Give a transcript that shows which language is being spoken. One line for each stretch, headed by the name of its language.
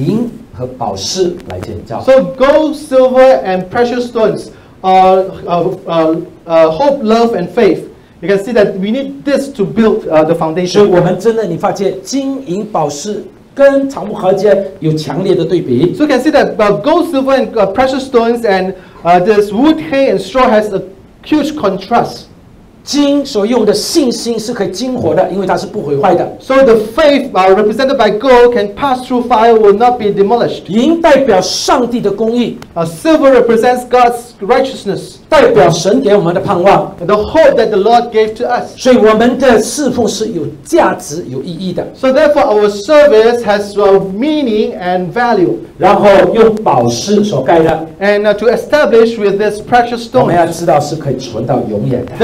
Chinese: 这基督的范本，说我们要用的是金银和宝石来建造。
English: So gold, silver, and precious stones are hope, love, and faith. You can see that we need this to build the foundation.
Chinese: 所以我们真的，你发现金银宝石跟草木禾秸有强烈的对比。
English: So you can see that gold, silver, and precious stones and this wood, hay, and straw has a huge contrast.
Chinese: 金所用的信心是可以经火的，因为它是不毁坏的。
English: So the faith represented by gold can pass through fire, will not be demolished.
Chinese: 银代表上帝的公义。
English: Silver represents God's righteousness.
Chinese: 代表神给我们的盼望。
English: The hope that the Lord gave to us.
Chinese: 所以我们的侍奉是有价值、有意义的。
English: So therefore our service has meaning and value.
Chinese: 然后用宝石所盖的。
English: And to establish with this precious stone.
Chinese: 我们要知道是可以存到永远的。